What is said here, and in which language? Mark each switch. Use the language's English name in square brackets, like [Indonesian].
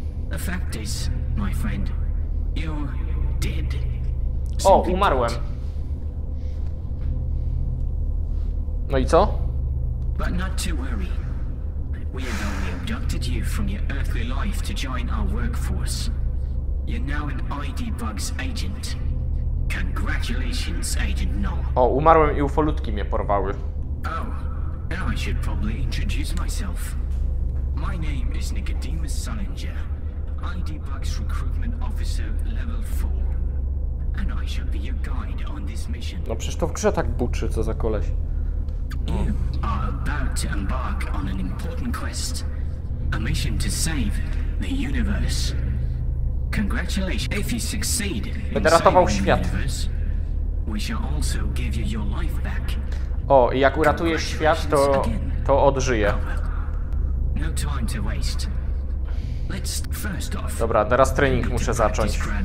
[English] The fact is, my friend, you're dead. [Polish] O, umarłem. No i co? [English] But not to worry. We have only abducted you from your earthly life to join our workforce. You're now an ID Bugs agent. Congratulations, Agent Noel. [Polish] O, umarłem i ufolutki mnie porwały. [English] Oh, and I should probably introduce myself. My name is Nicodemus Sullinger, ID Bugs Recruitment Officer Level 4. And I shall be your guide on this mission. [Polish] No przecież to w grze tak buczy, co za koleś. [English] You are about to embark on an important quest. A mission to save the universe. Congratulations. If you succeed in saving the universe, we shall also give you your life back. [Polish] O, i jak uratujesz świat, to odżyję. [English] No time to waste. Let's first off. [Polish] Dobra, teraz trening muszę zacząć.